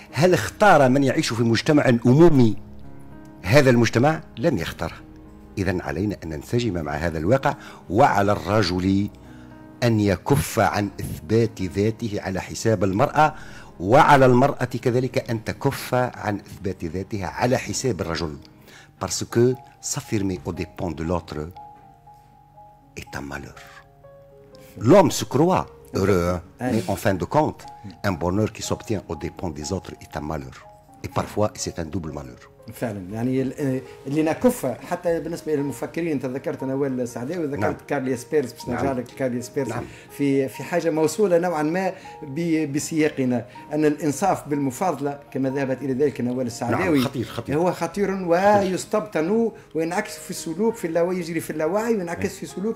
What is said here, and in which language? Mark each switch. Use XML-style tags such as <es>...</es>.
<ar>هل اختار من يعيش في مجتمع أمومي هذا المجتمع؟ لم يختره. إذن علينا أن ننسجم مع هذا الواقع، وعلى الرجل أن يكف عن إثبات ذاته على حساب المرأة، وعلى المرأة كذلك أن تكف عن إثبات ذاتها على حساب الرجل.</ar> <fr>parce que s'affirmer au dépens de l'autre est un malheur. l'homme se croit heureux mais en fin de compte un bonheur qui s'obtient au dépens des autres est un malheur et parfois c'est un double malheur.</fr> <ar>فعلا. يعني اللي نكف حتى بالنسبه للمفكرين، تذكرت انا وائل السعداوي، ذكرت كارل ياسبيرس باش نرجع لك كارل ياسبيرس. نعم. في حاجه موصوله نوعا ما بسياقنا، ان الانصاف بالمفاضله كما ذهبت الى ذلك انا وائل السعداوي. نعم. خطير، خطير. هو خطير ويستبطن وينعكس في السلوك، في اللاوعي، يجري في اللاوعي وينعكس في سلوك.</ar>